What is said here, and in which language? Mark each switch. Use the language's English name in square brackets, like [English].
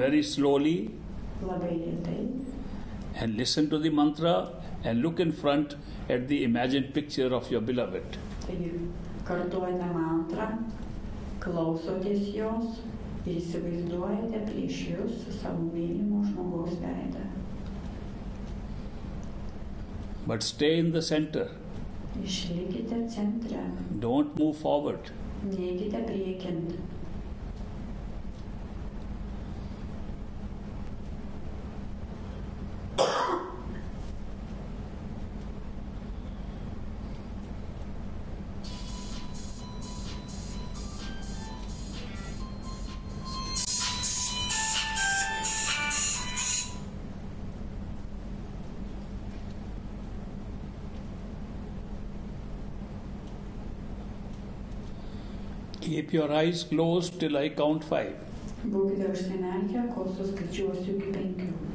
[English] very slowly, [Lithuanian] labai lėtai, [English] and listen to the mantra, and look in front at the imagined picture of your beloved. [Lithuanian] Taigi, kartuojate mantrą, klausotės jos, ir įsivaizduojate prieš jūs savo mylimo žmogaus veidą. [English] But stay in the center. [Lithuanian] Išlikite centre. [English] Don't move forward. [Lithuanian] Neikite priekin. [English] keep your eyes closed till I count five. [Lithuanian] Būkite užsimerkę, kol suskaičiuosiu iki penkių.